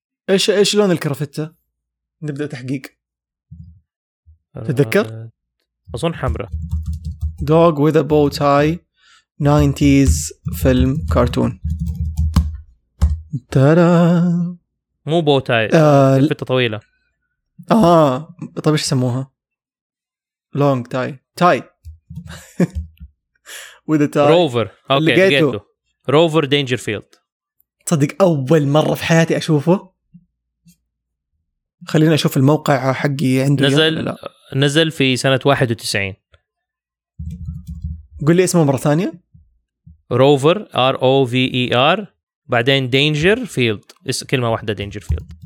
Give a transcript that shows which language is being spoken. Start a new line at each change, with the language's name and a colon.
Arabic: ايش لون الكرافته؟ نبدا تحقيق، تتذكر؟ أظن حمراء.
English: Dog with a bow tie 90s film cartoon.
Arabic: ترى مو bow tie، لفتة طويلة. طيب ايش يسموها؟
English: long tie، tie with a tie.
Arabic: Rover. اوكي لقيته. Rover Dangerfield. تصدق اول مرة في حياتي اشوفه. خلينا اشوف الموقع حقي عنده. نزل في سنة 91. قل لي اسمه مرة ثانية. روفر ROVER بعدين دينجر فيلد، كلمة واحدة دينجر فيلد.